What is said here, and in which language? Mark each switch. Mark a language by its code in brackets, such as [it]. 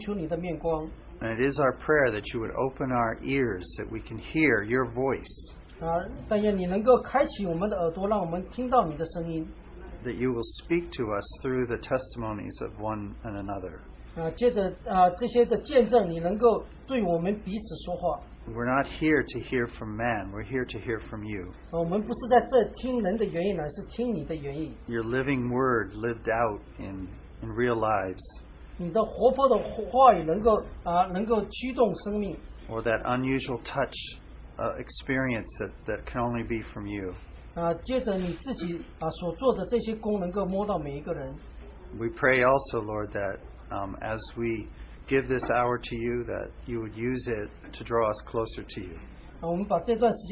[en] And it is our prayer that you would open our ears that we can hear your voice. That you will speak to us through the testimonies of one and another. [zh] 借着这些的见证，你能够对我们彼此说话。 [en] We're not here to hear from man, we're here to hear from you. [zh] 我们不是在这听人的原因，乃是听你的原因。 [en] Your living word lived out in real lives. [zh] 你的活泼的话语能够驱动生命。 [en] Or that unusual touch experience that can only be from you. [zh] 借着你自己所做的这些功能够摸到每一个人。 [en] We pray also, Lord, that as we give this hour to you, that you would use it to draw us closer to you.